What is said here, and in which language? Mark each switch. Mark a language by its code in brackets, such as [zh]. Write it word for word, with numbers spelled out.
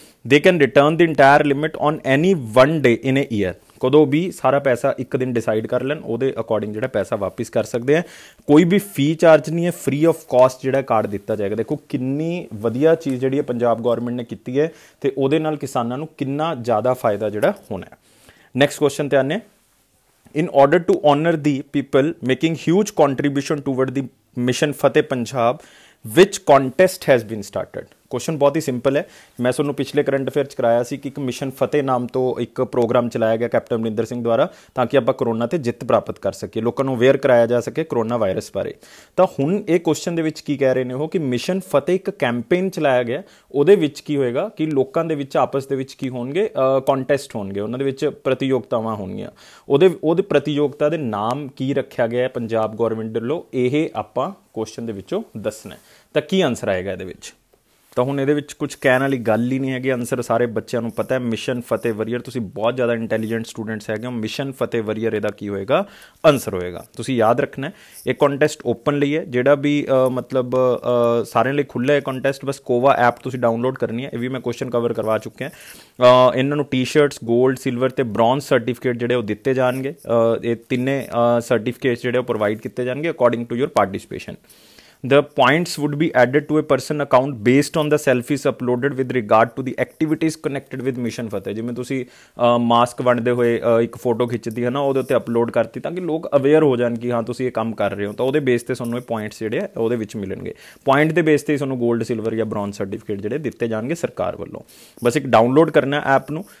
[en] they can return the entire limit on any one day in a year, [pa] ਕਦੋਂ ਵੀ ਸਾਰਾ ਪੈਸਾ ਇੱਕ ਦਿਨ ਡਿਸਾਈਡ ਕਰ ਲੈਣ, ਉਹਦੇ ਅਕੋਰਡਿੰਗ ਜਿਹੜਾ ਪੈਸਾ ਵਾਪਿਸ ਕਰ ਸਕਦੇ ਆ। ਕੋਈ ਵੀ ਫੀ ਚਾਰਜ ਨਹੀਂ ਹੈ, [en] free of cost [pa] ਜਿਹੜਾ ਕਾਰਡ ਦਿੱਤਾ ਜਾਏਗਾ। ਦੇਖੋ ਕਿੰਨੀ ਵਧੀਆ ਚੀਜ਼ ਜਿਹੜੀ ਹੈ ਪੰਜਾਬ ਗੌਰਮੈਂਟ ਨੇ ਕੀਤੀ ਹੈ ਅਤੇ ਉਹਦੇ ਨਾਲ ਕਿਸਾਨਾਂ ਨੂੰ ਕਿੰਨਾ ਜ਼ਿਆਦਾ ਫਾਇਦਾ ਜਿਹੜਾ ਹੋਣਾ ਹੈ। ਨੈਕਸਟ ਕੁਐਸਚਨ 'ਤੇ ਆਉਂਦੇ, [en] in order to honor the people making huge contribution toward the mission Fateh Punjab, which contest has been started? [pa] Question ਬਹੁਤ ਹੀ ਸਿੰਪਲ ਹੈ। ਮੈਂ ਤੁਹਾਨੂੰ ਪਿਛਲੇ ਕਰੰਟ ਅਫੇਅਰ 'ਚ ਕਰਾਇਆ ਸੀ ਕਿ ਇੱਕ ਮਿਸ਼ਨ ਫਤਿਹ ਨਾਮ ਤੋਂ ਇੱਕ ਪ੍ਰੋਗਰਾਮ ਚਲਾਇਆ ਗਿਆ ਕੈਪਟਨ ਅਮਰਿੰਦਰ ਸਿੰਘ ਦੁਆਰਾ, ਤਾਂ ਕਿ ਆਪਾਂ ਕਰੋਨਾ 'ਤੇ ਜਿੱਤ ਪ੍ਰਾਪਤ ਕਰ ਸਕੀਏ, ਲੋਕਾਂ ਨੂੰ ਅਵੇਅਰ ਕਰਾਇਆ ਜਾ ਸਕੇ ਕਰੋਨਾ ਵਾਇਰਸ ਬਾਰੇ। ਤਾਂ ਹੁਣ ਇਹ ਕੁਐਸਚਨ ਦੇ ਵਿੱਚ ਕੀ ਕਹਿ ਰਹੇ ਨੇ ਉਹ ਕਿ ਮਿਸ਼ਨ ਫਤਿਹ ਇੱਕ ਕੈਂਪੇਨ ਚਲਾਇਆ ਗਿਆ, ਉਹਦੇ ਵਿੱਚ ਕੀ ਹੋਏਗਾ ਕਿ ਲੋਕਾਂ ਦੇ ਵਿੱਚ ਆਪਸ ਦੇ ਵਿੱਚ ਕੀ ਹੋਣਗੇ, ਕੰਟੈਸਟ ਹੋਣਗੇ, ਉਹਨਾਂ ਦੇ ਵਿੱਚ ਪ੍ਰਤੀਯੋਗਤਾਵਾਂ ਹੋਣਗੀਆਂ। ਉਹਦੇ ਉਹਦੇ ਪ੍ਰਤੀਯੋਗਤਾ ਦੇ ਨਾਮ ਕੀ ਰੱਖਿਆ ਗਿਆ ਪੰਜਾਬ ਗੌਰਮੈਂਟ ਵੱਲੋਂ, ਇਹ ਆਪਾਂ ਕੁਐਸਚਨ ਦੇ ਵਿੱਚੋਂ ਦੱਸਣਾ। ਤਾਂ ਕੀ ਆਨਸਰ ਆਏਗਾ ਇਹਦੇ ਵਿੱਚ? ਤਾਂ ਹੁਣ ਇਹਦੇ ਵਿੱਚ ਕੁਝ ਕਹਿਣ ਵਾਲੀ ਗੱਲ ਹੀ ਨਹੀਂ ਹੈਗੀ, ਆਨਸਰ ਸਾਰੇ ਬੱਚਿਆਂ ਨੂੰ ਪਤਾ ਹੈ, ਮਿਸ਼ਨ ਫਤਿਹ ਵਰੀਅਰ। ਤੁਸੀਂ ਬਹੁਤ ਜ਼ਿਆਦਾ ਇੰਟੈਲੀਜੈਂਟ ਸਟੂਡੈਂਟਸ ਹੈਗੇ ਹੋ, ਮਿਸ਼ਨ ਫਤਿਹ ਵਰੀਅਰ ਇਹਦਾ ਕੀ ਹੋਏਗਾ, ਆਨਸਰ ਹੋਏਗਾ। ਤੁਸੀਂ ਯਾਦ ਰੱਖਣਾ ਇਹ ਕੰਟੈਸਟ ਓਪਨ ਲਈ ਹੈ, ਜਿਹੜਾ ਵੀ ਮਤਲਬ ਸਾਰਿਆਂ ਲਈ ਖੁੱਲ੍ਹਾ ਹੈ ਕੰਟੈਸਟ। ਬਸ ਕੋਵਾ ਐਪ ਤੁਸੀਂ ਡਾਊਨਲੋਡ ਕਰਨੀ ਹੈ, ਇਹ ਵੀ ਮੈਂ ਕੁਐਸਚਨ ਕਵਰ ਕਰਵਾ ਚੁੱਕਿਆ। ਇਹਨਾਂ ਨੂੰ ਟੀ ਸ਼ਰਟਸ ਗੋਲਡ, ਸਿਲਵਰ ਅਤੇ ਬ੍ਰੌਂਜ ਸਰਟੀਫਿਕੇਟ ਜਿਹੜੇ ਉਹ ਦਿੱਤੇ ਜਾਣਗੇ। ਇਹ ਤਿੰਨੇ ਸਰਟੀਫਿਕੇਟਸ ਜਿਹੜੇ ਉਹ ਪ੍ਰੋਵਾਈਡ ਕੀਤੇ ਜਾਣਗੇ [en] According to your participation. The points would be added to a person account based on the selfies uploaded with regard to the activities connected with Mission Fateh. [pa] ਜਿਵੇਂ ਤੁਸੀਂ ਮਾਸਕ ਵੰਡਦੇ ਹੋਏ ਇੱਕ ਫੋਟੋ ਖਿੱਚਦੀ ਹੈ ਨਾ, ਉਹਦੇ ਉੱਤੇ ਅਪਲੋਡ ਕਰਤੀ ਤਾਂ ਕਿ ਲੋਕ ਅਵੇਅਰ ਹੋ ਜਾਣ ਕਿ ਹਾਂ ਤੁਸੀਂ ਇਹ ਕੰਮ ਕਰ ਰਹੇ ਹੋ, ਤਾਂ ਉਹਦੇ ਬੇਸ 'ਤੇ ਤੁਹਾਨੂੰ ਇਹ ਪੁਆਇੰਟਸ ਜਿਹੜੇ ਆ ਉਹਦੇ ਵਿੱਚ ਮਿਲਣਗੇ। ਪੁਆਇੰਟ ਦੇ ਬੇਸ 'ਤੇ ਹੀ ਤੁਹਾਨੂੰ ਗੋਲਡ, ਸਿਲਵਰ ਜਾਂ ਬ੍ਰੌਂਜ ਸਰਟੀਫਿਕੇਟ ਜਿਹੜੇ ਦਿੱਤੇ ਜਾਣਗੇ ਸਰਕਾਰ ਵੱਲੋਂ। ਬਸ ਇੱਕ ਡਾਊਨਲੋਡ ਕਰਨਾ ਐਪ ਨੂੰ